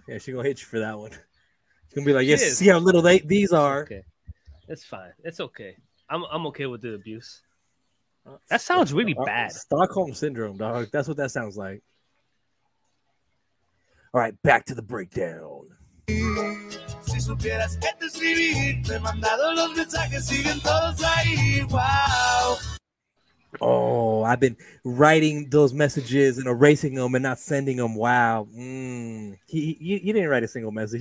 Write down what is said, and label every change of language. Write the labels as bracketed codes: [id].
[en] She's going to hit you for that one. She's going to be like, yes, see how little these are. Okay. It's fine. It's okay. I'm okay with the abuse. That sounds really bad. Stockholm Syndrome, dog. That's what that sounds like. All right, back to the breakdown. [es] Si supieras que te escribí, te he mandado los mensajes, siguen todos ahí. [en] Wow. Oh, I've been writing those messages and erasing them and not sending them. Wow. He didn't write a single message.